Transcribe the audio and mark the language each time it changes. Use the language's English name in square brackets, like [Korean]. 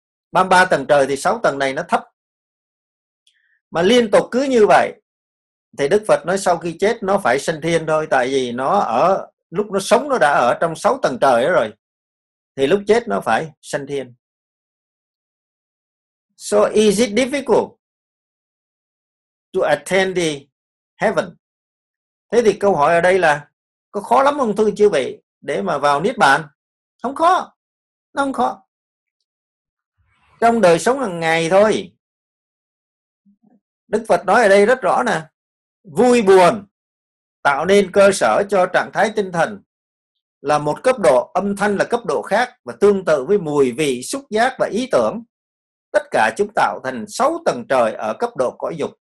[Vietnamese] 33 tầng trời thì 6 tầng này nó thấp. Mà liên tục cứ như vậy thì Đức Phật nói sau khi chết nó phải sinh thiên thôi, tại vì nó ở lúc nó sống nó đã ở trong 6 tầng trời đó rồi, thì lúc chết nó phải sinh thiên. [English] So is it difficult to attain the heaven? [Vietnamese] Thế thì câu hỏi ở đây là có khó lắm không thưa chư vị để mà vào Niết Bàn? Không khó, nó không khó. Trong đời sống hàng ngày thôi, Đức Phật nói ở đây rất rõ nè, vui buồn tạo nên cơ sở cho trạng thái tinh thần là một cấp độ, âm thanh là cấp độ khác, và tương tự với mùi vị, xúc giác và ý tưởng, tất cả chúng tạo thành 6 tầng trời ở cấp độ cõi dục.